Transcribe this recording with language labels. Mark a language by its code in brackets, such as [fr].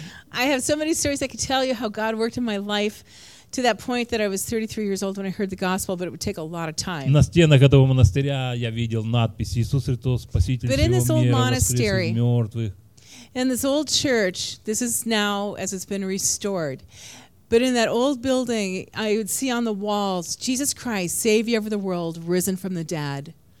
[en] I have so many stories I could tell you how God worked in my life to that point that I was 33 years old when I heard the gospel, but it would take a lot of time. [ru] На стенах этого монастыря я видел надпись «Иисус Христос, Спаситель всего мира, воскресший из мертвых». [en] But in this old monastery, in this old church, this is now as it's been restored, but in that old building, I would see on the walls «Jesus Christ, Savior of the world, risen from the dead».